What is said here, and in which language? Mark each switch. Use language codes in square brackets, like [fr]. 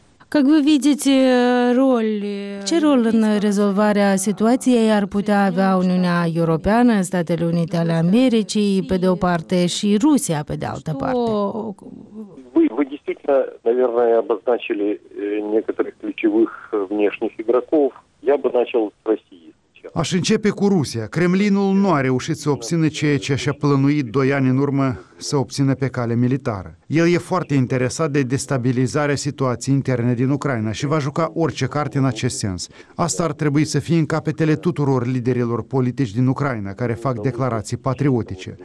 [ru] Как вы видите роль, [ro] ce rol în rezolvarea situației ar putea avea Uniunea Europeană, Statele Unite ale Americii, pe de o parte, și Rusia, pe de altă parte? [ru] Вы действительно, наверное, обозначили некоторых ключевых внешних игроков. Я бы начал с России. [ro] Aș începe cu Rusia. Kremlinul nu a reușit să obțină ceea ce și-a plănuit 2 ani în urmă să obțină pe cale militară. El e foarte interesat de destabilizarea situației interne din Ucraina și va juca orice carte în acest sens. Asta ar trebui să fie în capetele tuturor liderilor politici din Ucraina care fac declarații patriotice.